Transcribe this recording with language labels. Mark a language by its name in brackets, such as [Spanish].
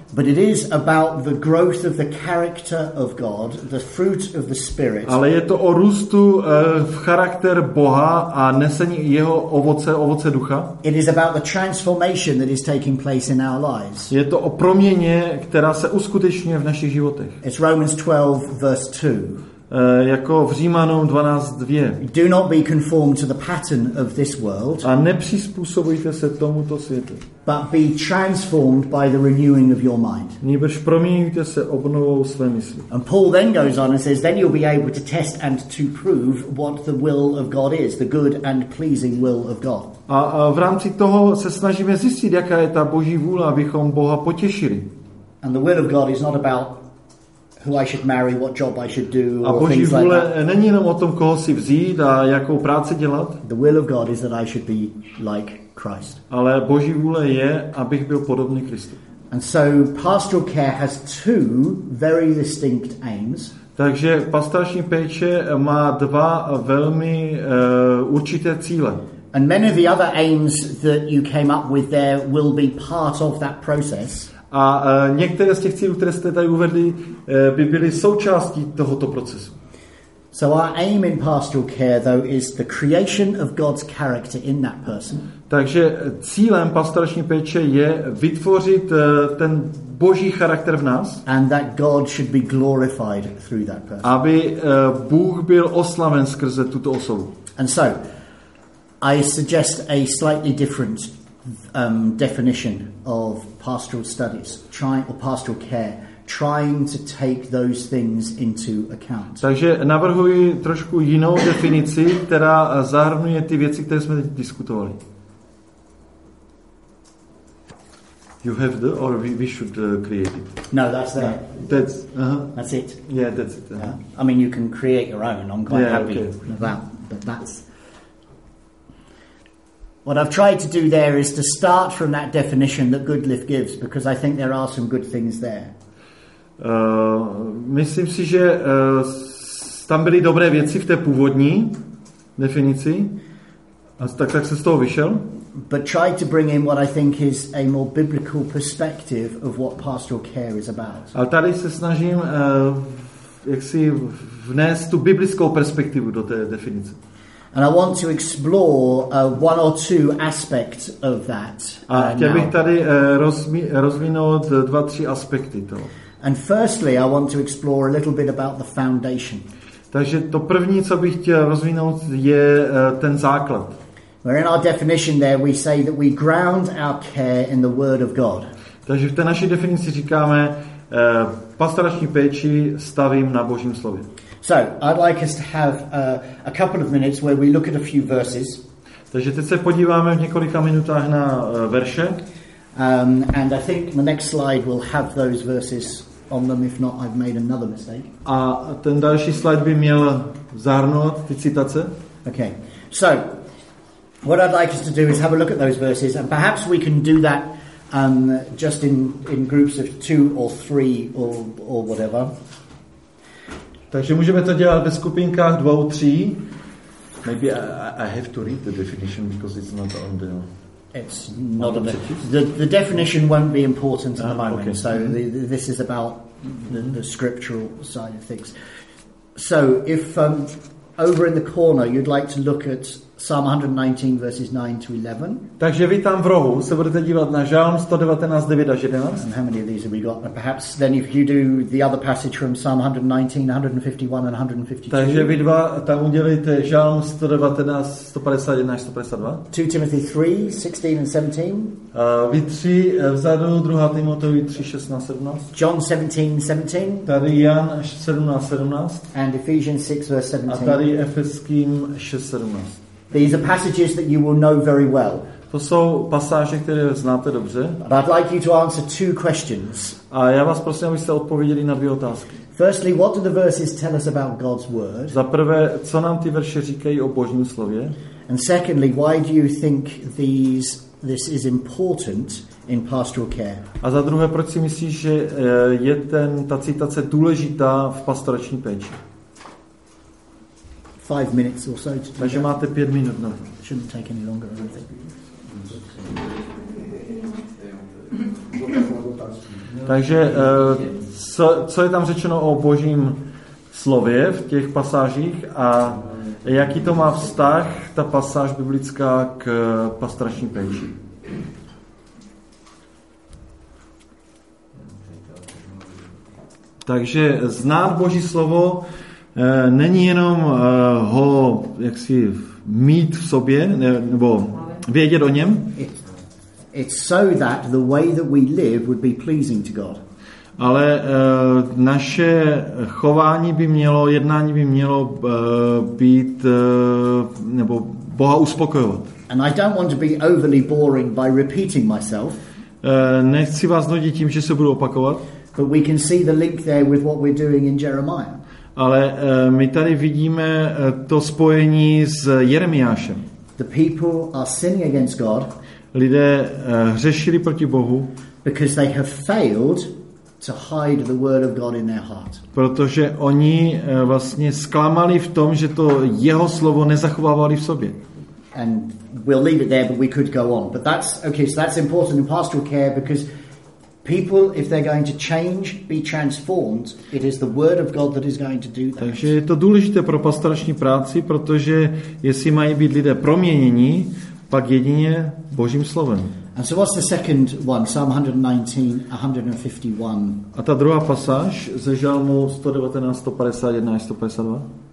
[English] But it is about the growth of the character of God, the fruit of the Spirit. [Czech] Ale je to o růstu v charakter Boha a nesení jeho ovoce, ovoce ducha. [English] It is about the transformation that is taking place in our lives. [Czech] Je to o proměně, která se uskutečňuje v našich životech. [English] It's Romans 12, verse 2. [Czech] Jako v Římanům 12:2. [English] Do not be conformed to the pattern of this world. [Czech] A nepřizpůsobujte se tomuto světu. [English] But be transformed by the renewing of your mind. [Czech] Nýbrž proměňujte se obnovou své mysli. [English] And Paul then goes on and says, then you'll be able to test and to prove what the will of God is, the good and pleasing will of God. [Czech] A v rámci toho se snažíme zjistit, jaká je ta Boží vůle, abychom Boha potěšili. [English] And the will of God is not about who I should marry, what job I should do, [Czech] a [English] or things [Czech] vůle, [English] like that. [Czech] Není jenom o tom, koho si vzít a jakou práci dělat. [English] The will of God is that I should be like Christ. [Czech] Ale Boží vůle je, abych byl podobný Kristu. [English] And so pastoral care has two very distinct aims. [Czech] Takže pastorační péče má dva velmi určité cíle. [English] And many of the other aims that you came up with there will be part of that process. [Czech] A některé z těch cílů, které jste tady uvedli, by byly součástí tohoto procesu. [English] So our aim in pastoral care though is the creation of God's character in that person. [Czech] Takže cílem pastorační péče je vytvořit ten Boží charakter v nás. [English] And that God should be glorified through that person. [Czech] Aby Bůh byl oslaven skrze tuto osobu. [English] And so I suggest a slightly different definition of pastoral studies, trying or pastoral care, trying to take those things into account. [Czech] Takže navrhuji trošku jinou definici, která zahrnuje ty věci, které jsme diskutovali. [English] You have the, or we should create it. No, that's there. That's That's it. Yeah, that's it. Uh-huh. I mean, you can create your own. I'm quite happy with that, but that's. What I've tried to do there is to start from that definition that Goodliffe gives, because I think there are some good things there. [Czech] Myslím si, že tam byly dobré věci v té původní definici. A tak se z toho vyšel. [English] But try to bring in what I think is a more biblical perspective of what pastoral care is about. [Czech] A tady se snažím jaksi vnést tu biblickou perspektivu do té definice. [English] And I want to explore one or two aspects of that. [Czech] A chtěl bych tady rozvinout dva, tři aspekty toho. [English] And firstly, I want to explore a little bit about the foundation. [Czech] Takže to první, co bych chtěl rozvinout, je ten základ. [English] Where in our definition there, we say that we ground our care in the Word of God. [Czech] Takže v té naší definici říkáme, pastorační péči stavím na Božím slově. [English] So, I'd like us to have a couple of minutes where we look at a few verses. [Czech] Takže teď se podíváme v několika minutách na verše. [English] And I think the next slide will have those verses on them, if not I've made another mistake. [Czech] A ten další slide by měl zahrnout ty citace. [English] Okay. So, what I'd like us to do is have a look at those verses, and perhaps we can do that just in groups of two or three or whatever. [Czech] Takže můžeme to dělat ve skupinkách 2 a 3. [English] Maybe I have to read the definition because it's not on the. It's not on the definition won't be important at the moment. Okay. So this is about the scriptural side of things. So if over in the corner you'd like to look at Psalm 119 verses 9-11. [Czech] Takže vy tam v rohu se budete dívat na Žalm 119, 9-11. [English] And how many of these have we got? Perhaps then if you do the other passage from Psalm 119, 151 and 152. [Czech] Takže vy dva tam udělíte Žalm 119, 151-152. [English] 2 Timothy 3, 16 and 17. [Czech] Vy tři vzadu, 2 Timotovi 3, 16 a 17. [English] John 17, 17. [Czech] Tady Jan 17, 17. [English] And Ephesians 6, verse 17. [Czech] A tady Efeským 6, 17. [English] These are passages that you will know very well. [Czech] To jsou pasáže, které znáte dobře. [English] But I'd like you to answer two questions. [Czech] A já vás prosím, abyste odpověděli na dvě otázky. [English] Firstly, what do the verses tell us about God's word? [Czech] Za prvé, co nám ty verše říkají o Božím slově? [English] And secondly, why do you think this is important in pastoral care? [Czech] A za druhé, proč si myslíš, že je ta citace důležitá v pastorační péči? [English] 5 minutes or so. To [Czech] takže [English] do [Czech] máte 5 minut na. [English] No. Shouldn't take any longer. I think. [Czech] Takže co je tam řečeno o Božím slově v těch pasážích a jaký to má vztah, ta pasáž biblická, k pastorační péči? Takže znát Boží slovo není jenom ho jaksi mít v sobě nebo vědět o něm. [English] It's so that the way that we live would be pleasing to God. [Czech] Ale naše chování by mělo, jednání by mělo být nebo Boha uspokojovat. [English] And I don't want to be overly boring by repeating myself. [Czech] Nechci vás nudit tím, že se budu opakovat. [English] But we can see the link there with what we're doing in Jeremiah. [Czech] Ale my tady vidíme to spojení s Jeremiášem. [English] The people are sinning against God. [Czech] Lidé hřešili proti Bohu. [English] Because they have failed to hide the word of God in their heart. [Czech] Protože oni vlastně zklamali v tom, že to jeho slovo nezachovávali v sobě. [English] And we'll leave it there, but we could go on. But that's okay, so that's important in pastoral care because people, if they're going to change, be transformed, it is the word of God that is going to do that. [Czech] Takže je to důležité pro pastorační práci, protože jestli mají být lidé proměněni, pak jedině Božím slovem. [English] And so what's the second one? Psalm 119, 151. [Czech] A ta druhá pasáž ze Žalmu 119, 151 až 152?